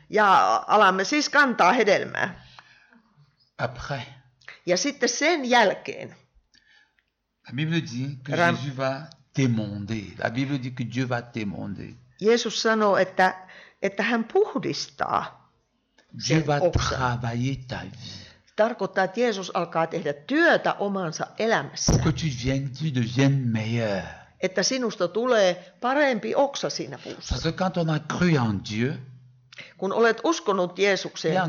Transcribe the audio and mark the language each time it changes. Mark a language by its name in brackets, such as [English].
[Finnish] Ja alamme siis kantaa hedelmää. [French] Après. [Finnish] Ja sitten sen jälkeen. [French] La Bible dit que Jésus va t'émonder. La Bible dit que Dieu va t'émonder. [Finnish] Jeesus sanoo, että hän puhdistaa. [French] Dieu va travailler ta vie. [Finnish] Tarkoittaa, että Jeesus alkaa tehdä työtä omansa elämässä. [French] Pour que tu deviennes meilleur. [Finnish] Että sinusta tulee parempi oksa siinä puussa. [French] Parce que quand on a cru en Dieu, [Finnish] kun olet uskonut Jeesukseen,